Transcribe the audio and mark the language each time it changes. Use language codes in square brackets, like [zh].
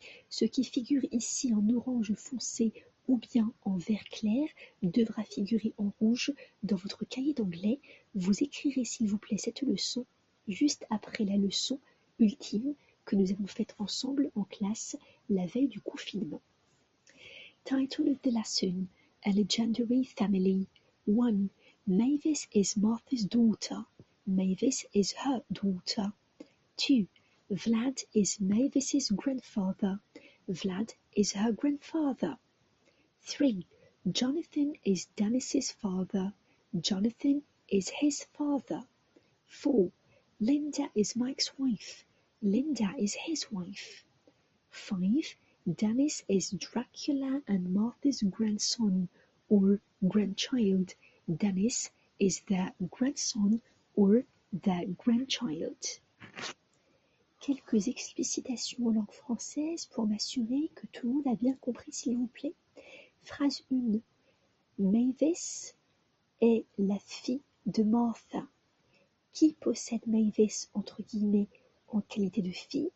[fr] Ce qui figure ici en orange foncé ou bien en vert clair devra figurer en rouge dans votre cahier d'anglais. Vous écrirez s'il vous plaît cette leçon juste après la leçon ultime que nous avons faite ensemble en classe la veille du confinement. [en] Title of the lesson, A Legendary Family. 1. Mavis is Martha's daughter. Mavis is her daughter. 2. Vlad is Mavis's grandfather. Vlad is her grandfather. 3. Jonathan is Dennis's father. Jonathan is his father. 4. Linda is Mike's wife. Linda is his wife. 5. Dennis is Dracula and Martha's grandson or grandchild. Dennis is the grandson or the grandchild. [fr] Quelques explicitations en langue française pour m'assurer que tout le monde a bien compris, s'il vous plaît. Phrase 1. Mavis est la fille de Martha. Qui possède Mavis, entre guillemets, en qualité de fille?